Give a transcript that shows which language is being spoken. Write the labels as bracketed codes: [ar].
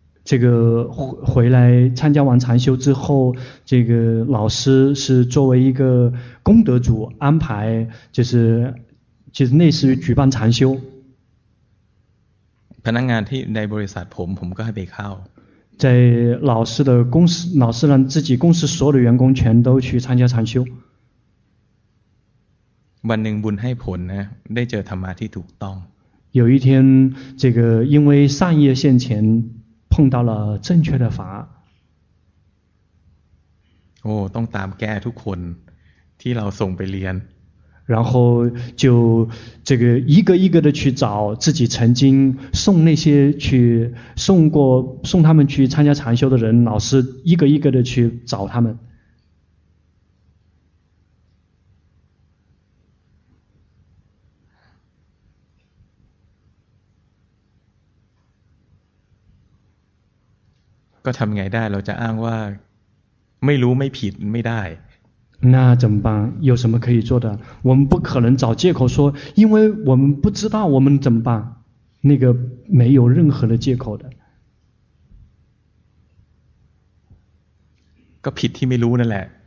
[zh] 这个回来参加完禅修之后这个老师是作为一个功德主安排就是类似于举办禅修 [th] พนักงานที่ในบริษัทผมก็ให้ไปเข้า [zh] 在老师的公司老师让自己公司所有的员工全都去参加禅修 [th] วันหนึ่งบุญให้ผลนะได้เจอธรรมะที่ถูกต้อง [zh] 有一天这个因为善业现前碰到了正确的法 [th] โอ้ต้องตามแก้ทุกคนที่เราส่งไปเรียน [zh] 然后就这个一个一个的去找自己曾经送那些去送过送他们去参加禅修的人老师一个一个的去找他们 [th] ก็ทำไงได้เราจะอ้างว่าไม่รู้ไม่ผิดไม่ได้ [zh] 那怎么办有什么可以做的我们不可能找借口说因为我们不知道我们怎么办那个没有任何的借口的 [th] ก็ผิดที่ไม่รู้นั่นแหละ